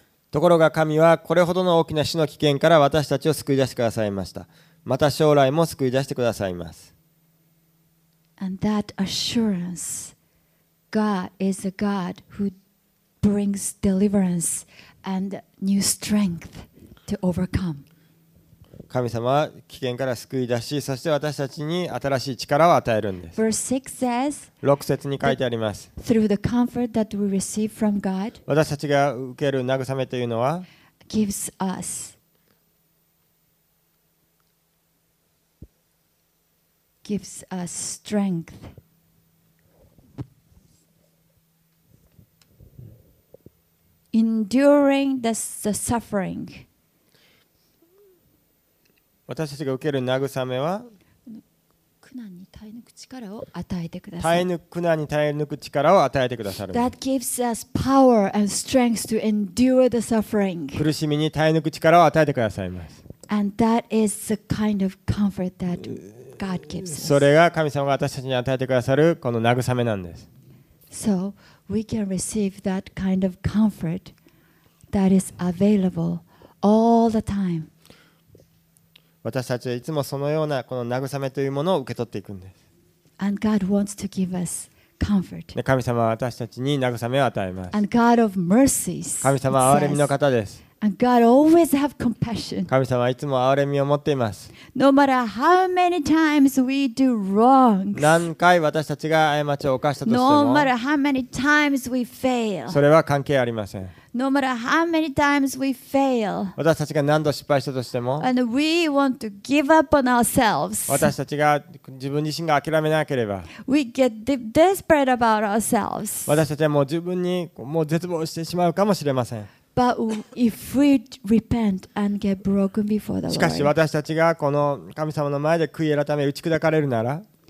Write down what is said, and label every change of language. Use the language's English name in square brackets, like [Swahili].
[Japanese] ところが神はこれほどの大きな死の危険から私たちを救い出してくださいました。また将来も救い出してくださいます。 [English] And that assurance, God is a God who brings deliverance and new strength to overcome. [Japanese] 神様は危険から救い出し、そして私たちに新しい力を与えるんです。 [English] Verse 6 says, [Japanese] 6節に書いてあります。 [English] Through the comfort that we receive from God, [Japanese] 私たちが受ける慰めというのは、 [English] gives us strength. Enduring the suffering. [Japanese] 私たちが受ける慰めは苦難に耐え抜く力を与えてください。苦難に耐え抜く力を与えてくださる。 [English] That gives us power and strength to endure the suffering. [Japanese] 苦しみに耐え抜く力を与えてくださいます。 [English] And that is the kind of comfort that God gives us. [Japanese] それが神様が私たちに与えてくださるこの慰めなんです。 [English] So we can receive that kind of comfort that is available all the time. [Japanese] 私たちはいつもそのようなこの慰めというものを受け取っていくんです。 [English] And God wants to give us comfort. [Japanese] 神様は私たちに慰めを与えます。 [English] And God of mercies. [Japanese] 神様は憐れみの方です。 [English] And God always have compassion. [Japanese] 神様はいつも憐れみを持っています。 [English] No matter how many times we do wrong. [Japanese] 何回私たちが過ちを犯したとしても。 [English] No matter how many times we fail. [Japanese] それは関係ありません。 [English] No matter how many times we fail, [Japanese] 私たちが何度失敗したとしても、 [English] and we want to give up on ourselves, [Japanese] 私たちが自分自身が諦めなければ、 [English] we get desperate about ourselves, [Japanese] 私たちはもう自分にもう絶望してしまうかもしれません。 [English] But if we repent and get broken before the Lord, [Japanese] しかし私たちがこの神様の前で悔い改め打ち砕かれるなら、